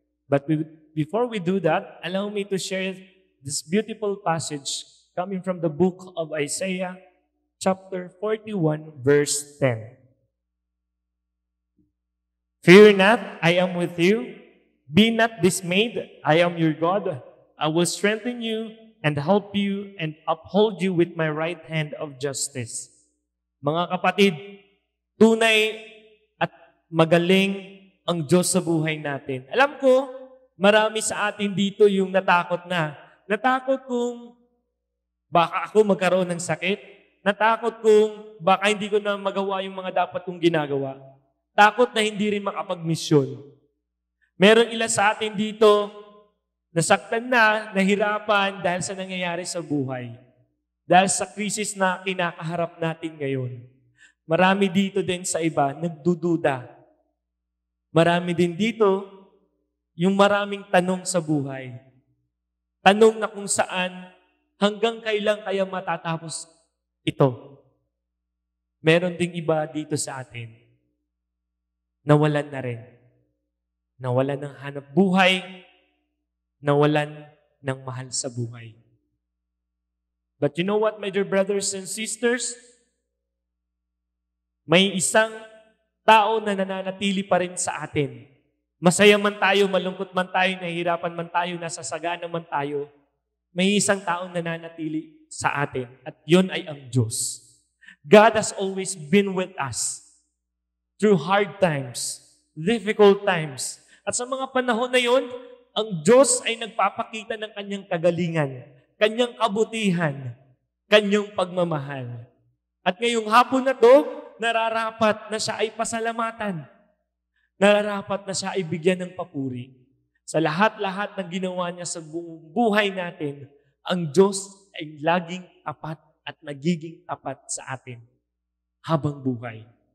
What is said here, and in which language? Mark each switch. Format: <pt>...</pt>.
<en>But before we do that, allow me to share this beautiful passage coming from the book of Isaiah, chapter 41, verse 10. Fear not, I am with you. Be not dismayed, I am your God. I will strengthen you and help you and uphold you with my right hand of justice.</en> <tl>Mga kapatid, tunay at magaling ang Diyos sa buhay natin. Alam ko, marami sa atin dito yung natakot na. Natakot kung baka ako magkaroon ng sakit. Natakot kung baka hindi ko na magawa yung mga dapat kong ginagawa. Takot na hindi rin makapag-misyon. Meron ila sa atin dito nasaktan na, nahirapan dahil sa nangyayari sa buhay. Dahil sa krisis na kinakaharap natin ngayon. Marami dito din sa iba nagdududa. Marami din dito yung maraming tanong sa buhay. Tanong na kung saan, hanggang kailan kaya matatapos ito. Meron ding iba dito sa atin. Nawalan na rin. Nawalan ng hanap buhay. Nawalan ng mahal sa buhay.</tl> <en>But you know what, my dear brothers and sisters?</en> <tl>May isang tao na nananatili pa rin sa atin. Masaya man tayo, malungkot man tayo, nahihirapan man tayo, nasasagana man tayo, may isang taong nananatili sa atin at yun ay ang Diyos.</tl> <en>God has always been with us through hard times, difficult times.</en> <tl>At sa mga panahon na yun, ang Diyos ay nagpapakita ng kanyang kagalingan, kanyang kabutihan, kanyang pagmamahal. At ngayong hapon na to, nararapat na siya ay pasalamatan. Nararapat na siya ay bigyan ng papuri. Sa lahat-lahat ng ginawa niya sa buong buhay natin, ang Diyos ay laging tapat at nagiging tapat sa atin habang buhay.</tl>